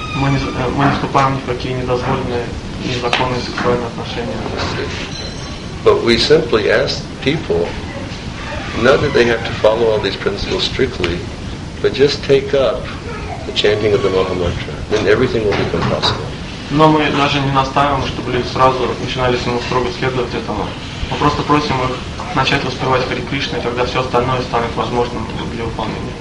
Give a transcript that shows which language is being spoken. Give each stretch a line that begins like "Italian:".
Russian: Мы не вступаем ни в какие недозволенные незаконные сексуальные отношения.
English: But we simply ask people. Not that they have to follow all these principles strictly, but just take up the chanting of the Maha Mantra, then everything will become possible.
Russian: Но мы даже не настаиваем, чтобы люди сразу начинали с него строго следовать этому. Мы просто просим их начать воспевать Хари Кришну, и тогда все остальное станет возможным для выполнения.